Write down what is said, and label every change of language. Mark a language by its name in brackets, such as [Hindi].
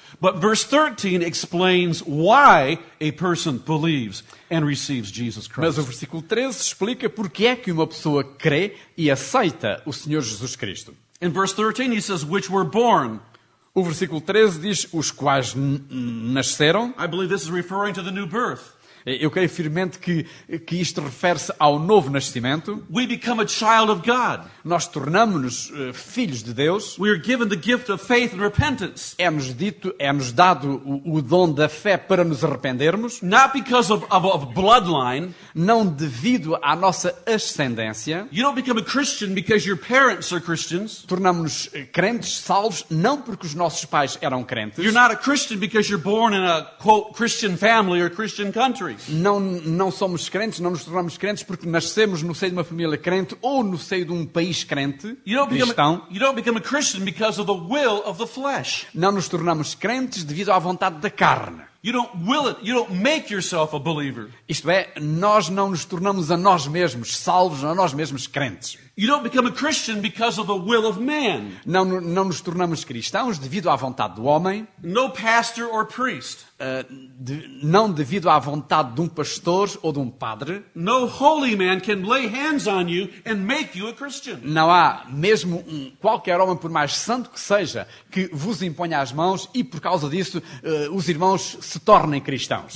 [English] But verse 13 explains why a person believes and receives Jesus Christ. [Portuguese] Mas o versículo 13 explica porque é que uma pessoa crê e aceita o Senhor Jesus Cristo. [English] In verse 13 he says, which were born. [Portuguese] O versículo 13 diz, os quais nasceram. [English] I believe this is referring to the new birth. [Portuguese] Eu creio firmemente que isto refere-se ao novo nascimento. [English] We become a child of God. [Portuguese] Nós tornamos-nos filhos de Deus. [English] We are given the gift of faith and repentance. [Portuguese] É-nos dado o dom da fé para nos arrependermos. [English] Not because of bloodline. [Portuguese] Não devido à nossa ascendência. [English] You don't become a Christian because your parents are Christians. [Portuguese] Tornamos-nos crentes, salvos, não porque os nossos pais eram crentes. [English] You're not a Christian because you're born in a quote, Christian family or Christian country. [Portuguese] Não somos crentes, não nos tornamos crentes porque nascemos no seio de uma família crente ou no seio de um país crente, cristão. [English] You don't become a Christian because of the will of the flesh. [Portuguese] Não nos tornamos crentes devido à vontade da carne. [English] You don't will it. You don't make yourself a believer. [Portuguese] Isto é, nós não nos tornamos a nós mesmos salvos, a nós mesmos crentes. [English] You don't become a Christian because of the will of man. [Portuguese] Não nos tornamos cristãos devido à vontade do homem. [English] No pastor or priest. [Portuguese] Não devido à vontade de um pastor ou de um padre. [English] No holy man can lay hands on you and make you a Christian. [Portuguese] Não há mesmo qualquer homem, por mais santo que seja, que vos imponha as mãos e por causa disso os irmãos se tornem cristãos.